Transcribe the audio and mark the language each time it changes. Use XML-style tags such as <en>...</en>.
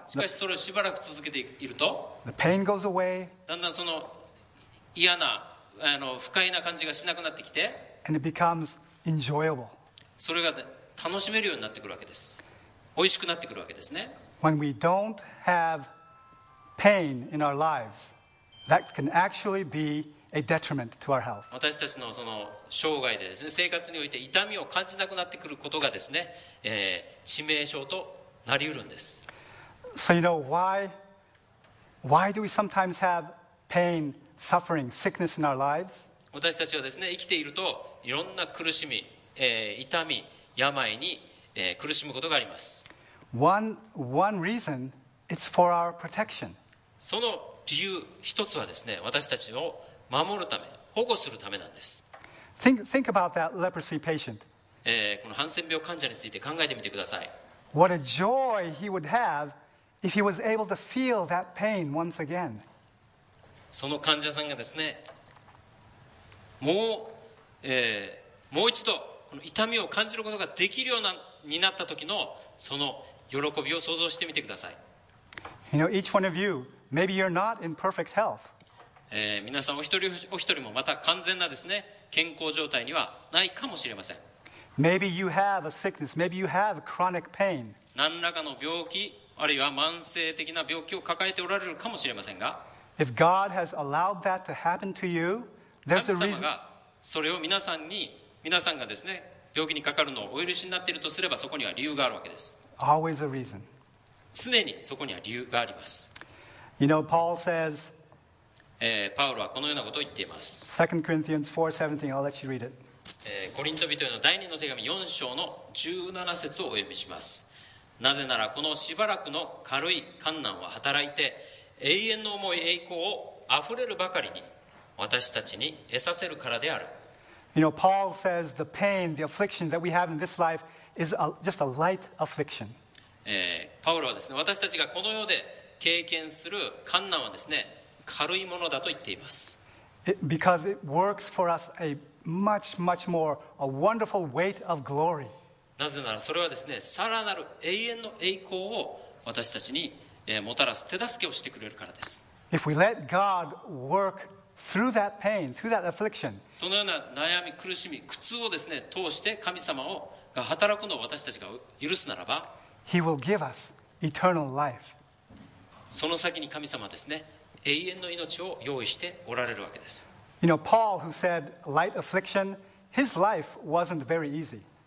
<ja>しかしそれをしばらく続けていると、</ja> <en>the pain goes away.</en> <ja>だんだんその嫌な不快な感じがしなくなってきて、</ja> <en>and it becomes enjoyable.</en> <ja>それが楽しめるようになってくるわけです。美味しくなってくるわけですね。</ja> <en>When we don't have pain in our lives, that can actually be a detriment to our health.</en> <ja>私たちのその生涯でですね、生活において痛みを感じなくなってくることがですね、致命傷となりうるんです。</ja> <en>So you know why do we sometimes have pain, suffering, sickness in our lives?</en> <ja>私たちはですね、生きているといろんな苦しみ、痛み、病に、苦しむことがあります。</ja> <en>One reason, it's for our protection.</en> <ja>その理由一つはですね、私たちを守るため、保護するためなんです。</ja> <en>Think about that leprosy patient.</en> <ja>このハンセン病患者について考えてみてください。</ja> <en>What a joy he would have if he was able to feel that pain once again.</en> <ja>その患者さんがですね、もう一度この痛みを感じることができるようなになった時のその喜びを想像してみてください。</ja> <en>You know, each one of you, maybe you're not in perfect health.</en> <ja>皆さんお一人お一人もまた完全なですね、健康状態にはないかもしれません。</ja> <en>Maybe you have a sickness. Maybe you have chronic pain.</en> <ja>何らかの病気あるいは慢性的な病気を抱えておられるかもしれませんが、</ja> <en>If God has allowed that to happen to you, there's a reason.</en> <ja>神様がそれを皆さんがですね、病気にかかるのをお許しになっているとすれば、そこには理由があるわけです。</ja> <en>Always a reason.</en> <ja>常にそこには理由があります。</ja> <en>You know, Paul says,</en> <ja>パウロはこのようなことを言っています。</ja> <en>2 Corinthians 4:17, I'll let you read it.</en> <ja>コリント人への第二の手紙4章の17節をお読みします。なぜならこのしばらくの軽い患難は働いて、永遠の重い栄光をあふれるばかりに私たちに得させるからである。</ja> <en>You know, Paul says the pain, the affliction that we have in this life is just a light affliction.</en> <ja>パウロはですね、私たちがこの世で経験する患難はですね、軽いものだと言っています。</ja> <en>Because it works for us a much, much more, a wonderful weight of glory.</en> <ja>なぜならそれはですね、さらなる永遠の栄光を私たちにもたらす手助けをしてくれるからです。</ja> <en>If we let God work through that pain, through that affliction.</en> <ja>そのような悩み、苦しみ、苦痛をですね、通して神様が働くのを私たちが許すならば、</ja> <en>He will give us eternal life.</en> <ja>その先に神様はですね、永遠の命を用意しておられるわけです。</ja> <en>You know, Paul, who said light affliction, his life wasn't very easy.</en>